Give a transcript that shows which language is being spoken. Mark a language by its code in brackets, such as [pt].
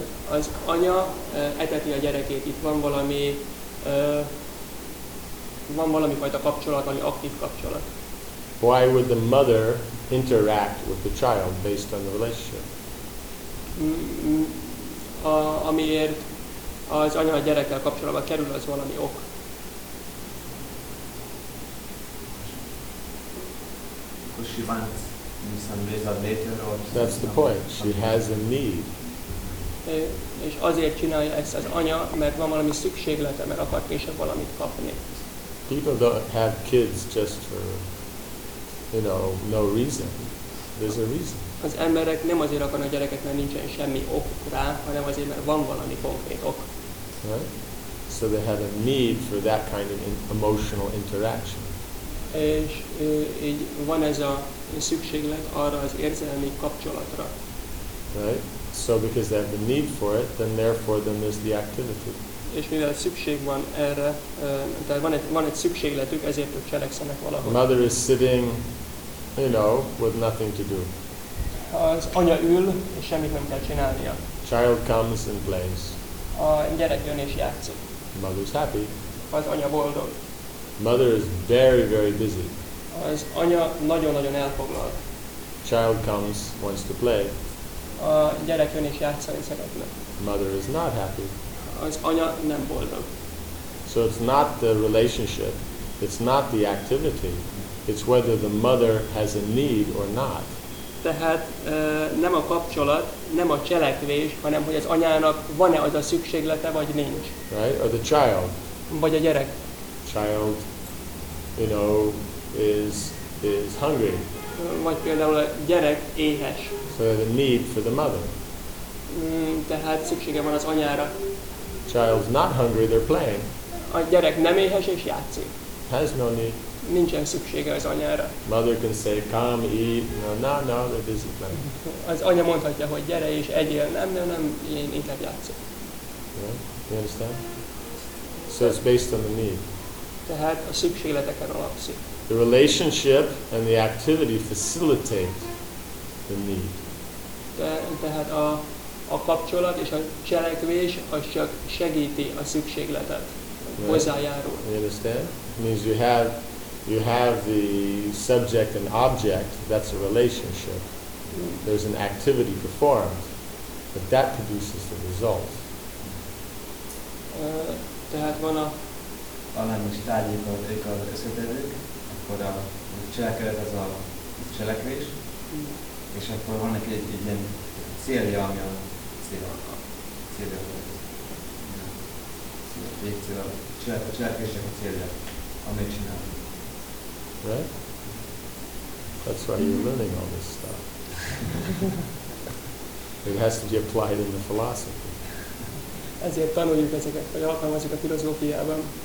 [hu] Az anya eteti a gyerekét. Itt van valami fajta kapcsolat, ami aktív kapcsolat. [en] Why would the mother interact with the child based on the relationship? [hu] Amiért az anya a gyerekkel kapcsolatban kerül, az valami ok. [en] Because she wants some reason later or something. That's the point. She has a need. [hu] És azért csinálja ezt az anya, mert van valami szükséglete, mert akar később valamit kapni. [en] People don't have kids just for, you know, no reason. There's a reason. [hu] Az emberek nem azért akarnak gyereket, mert nincsen semmi okuk rá, hanem azért, mert van valami konkrét ok. [en] Right? So they have a need for that kind of emotional interaction. [hu] És így van ez a szükséglet arra az érzelmi kapcsolatra. [en] Right? So because they have the need for it, then therefore then there's the activity. [hu] És mivel szükség van erre, tehát van egy szükségletük, ezért ők cselekszenek valahol. [en] Mother is sitting, you know, with nothing to do. [hu] Az anya ül, és semmit nem kell csinálnia. [en] Child comes and plays. [hu] A gyerek jön és játszik. [en] Mother's happy. [hu] Az anya boldog. [en] Mother is very, very busy. [hu] Az anya nagyon-nagyon elfoglalt. [en] Child comes, wants to play. [hu] A gyerek jön és játszani szeretne. [en] Mother is not happy. [hu] Az anya nem boldog. [en] So it's not the relationship, it's not the activity, it's whether the mother has a need or not. [hu] Tehát nem a kapcsolat, nem a cselekvés, hanem hogy az anyának van-e az a szükséglete, vagy nincs. [en] Right? Or the child. [hu] Vagy a gyerek. [en] Child, you know, is hungry. [hu] Vagy például a gyerek éhes. [en] So they have a need for the mother. [hu] Tehát szüksége van az anyára. [en] Child's not hungry, they're playing. [hu] A gyerek nem éhes és játszik. [en] Has no need. [hu] Nincsen szüksége az anyára. [en] Mother can say, come, eat. No, they're busy playing. [hu] Az anya mondhatja, hogy gyere és egyél. Nem, én inkább játszok. [en] Yeah, you understand? So it's based on the need. [hu] Tehát a szükségleteken alapszik. [en] The relationship and the activity facilitate the need. [hu] Tehát a kapcsolat és a cselekvés az csak segíti a szükségletet, right. Hozzájárul. [en] You understand? It means you have the subject and object, that's a relationship. There's an activity performed, but that produces the result. [hu] Tehát van a valami stádiumok, amik az összetevők, akkor a cselekedet az a cselekvés, és akkor van neki egy ilyen célja, ami a célja, a cselekvésnek a célja, amit csinál. [en] Right? That's why you're learning all this stuff. It has to be applied in the philosophy. [hu] Ezért tanuljuk ezeket, vagy alkalmazzuk a filozófiában.